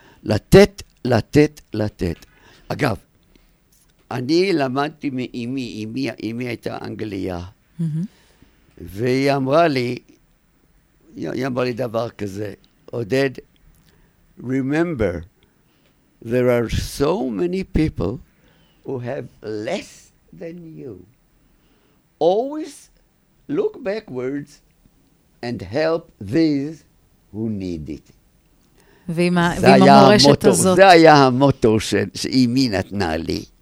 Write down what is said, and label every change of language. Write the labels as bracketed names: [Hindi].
[Hebrew] לתת, לתת, לתת. אגב, אני למדתי מאימי, אימי הייתה אנגליה, והיא אמרה לי, דבר כזה, עודד, [English] remember, there are so many people who have less than you. Always look backwards and help these who need it. [Hebrew] ועם המורשת הזאת. זה היה המוטו שאימי נתנה לי.